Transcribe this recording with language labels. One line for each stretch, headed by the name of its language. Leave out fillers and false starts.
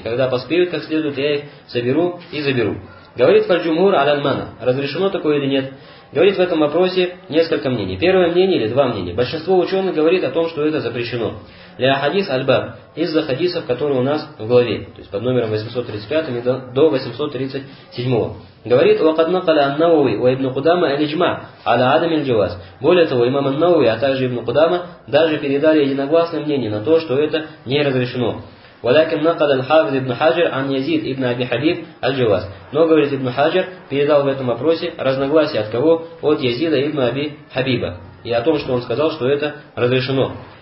Russian: Когда поспеют как следует, я их соберу и заберу. Говорит Фальджумур Аль-Анмана, разрешено такое или нет? Говорит в этом вопросе несколько мнений. Первое мнение или два мнения. Большинство ученых говорит о том, что это запрещено.
Arabic: Ля хадис аль-баб,
Russian: из-за хадисов, которые у нас в главе, то есть под номером 835 до 837. Говорит,
Arabic: وَقَدْ نَقَلَ النَّوَوِي وَإِبْنُ قُدَامَ الْإِجْمَعَ عَلَى عَدَمِ الْجَوَازِ.
Russian: Более того, имам ан-Науви, а также ибн Кудама, даже передали единогласное мнение на то, что это не разрешено.
Arabic: وَلَكِمْ نَقَدَ الْحَافِدْ ابْنُ حَجَرْ عَنْ يَزِيدْ ابْنَ عَبِي حَبِيبْ الْجَوَازْ.
Russian: Но, говорит ибн Хаджар, передал в этом вопросе разногласие от кого? От Язида ибн Аби Хабиба. И о том, что он сказал, что это разрешено.